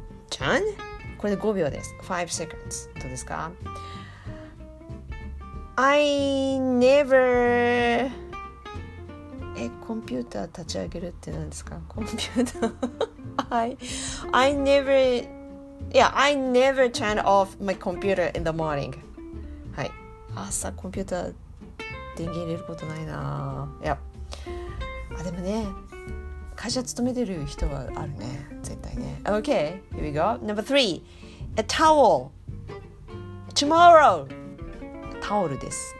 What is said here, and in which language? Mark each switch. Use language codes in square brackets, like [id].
[ja] Done? これで5秒です。 [en] 5 seconds. [ja] どうですか？ [en] I never... [ja] コンピューター立ち上げるって何ですか？ [en] コンピューター I never... Yeah, I never turn off my computer in the morning. [ja] はい。朝コンピューター電源入れることないな。いや、あでもね、会社勤めてる人はあるね、絶対ね。 [en] OK here we go number three a towel tomorrow [ja] タオルです。